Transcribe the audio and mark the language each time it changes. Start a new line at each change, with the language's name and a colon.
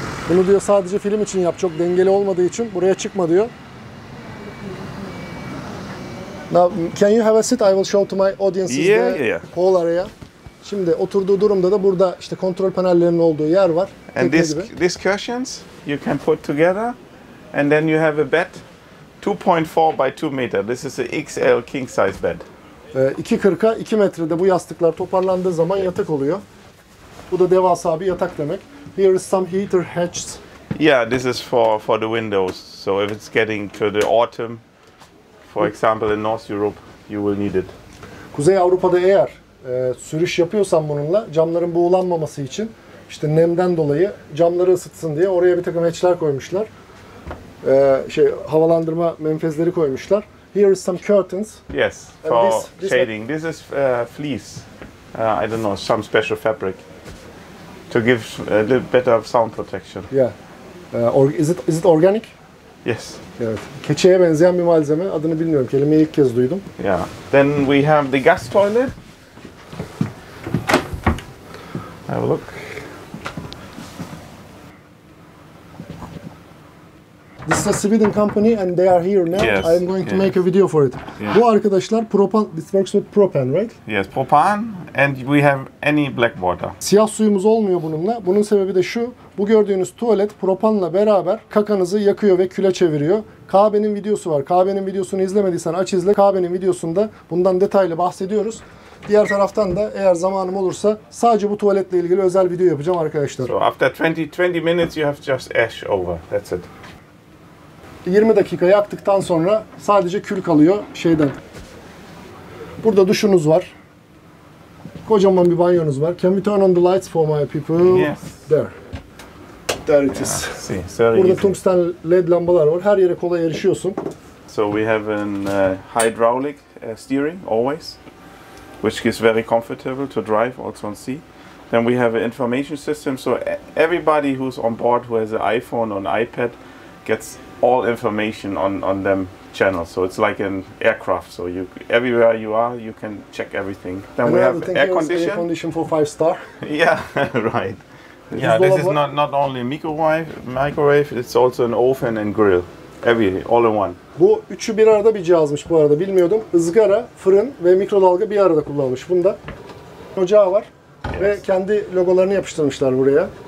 Turkish: Bunu diyor sadece film için yap, çok dengeli olmadığı için buraya çıkma diyor.
English: Now, can you have a seat? I will show to my audience. Yeah. Hall area.
Turkish: Şimdi oturduğu durumda da burada işte kontrol panellerinin olduğu yer var.
English: And these cushions you can put together and then you have a bed 2.4 by 2 meter. This is a XL king size bed.
Turkish: 2.40'a 2 metrede bu yastıklar toparlandığı zaman yatak oluyor. Bu da devasa bir yatak demek.
English: Here is some heater hatches. Yeah, this is for the windows. So if it's getting to the autumn, for example in North Europe, you will need it.
Turkish: Kuzey Avrupa'da eğer sürüş yapıyorsan bununla camların buğulanmaması için, işte nemden dolayı camları ısıtsın diye oraya bir takım hatchler koymuşlar. Havalandırma menfezleri koymuşlar.
English: Here is some curtains. Yes, for this shading. This is fleece. I don't know, some special fabric. To give a little bit of sound protection. Yeah. Is it organic? Yes.
Turkish: Evet. Keçeye benzeyen bir malzeme. Adını bilmiyorum. Kelimeyi ilk kez duydum.
English: Yeah. Then we have the gas toilet. Have a look. This is a Sweden company and they are here now. Yes. I am going to make a video for it. Yeah.
Turkish: Bu arkadaşlar propan,
English: this works with propane, right? Yes, propane and we have any black water.
Turkish: Siyah suyumuz olmuyor bununla. Bunun sebebi de şu. Bu gördüğünüz tuvalet propanla beraber kakanızı yakıyor ve küle çeviriyor. Kabe'nin videosu var. Kabe'nin videosunu izlemediysen aç izle. Kabe'nin videosunda bundan detaylı bahsediyoruz. Diğer taraftan da eğer zamanım olursa sadece bu tuvaletle ilgili özel video yapacağım arkadaşlar.
English: So after 20 minutes you have just ash over. That's it.
Turkish: 20 dakika yaktıktan sonra sadece kül kalıyor şeyden. Burada duşunuz var. Kocaman bir banyonuz var.
English: Can we turn on the lights for my people? Yes. There it is. Yeah, see, very
Turkish: burada tungsten LED lambalar var. Her yere kolay erişiyorsun.
English: So we have an hydraulic steering always, which is very comfortable to drive also on sea. Then we have an information system, so everybody who's on board who has an iPhone or an iPad gets all information on them channels. So it's like an aircraft, so you everywhere you are, you can check everything. Then we have air condition. Air condition for 5-star. Yeah, right. Yeah, this is not only a microwave, it's also an oven and grill. Everything, all in one.
Turkish: Bu üçü bir arada bir cihazmış bu arada, bilmiyordum. Izgara, fırın ve mikrodalga bir arada kullanmış. Bunda ocağı var ve kendi logolarını yapıştırmışlar buraya.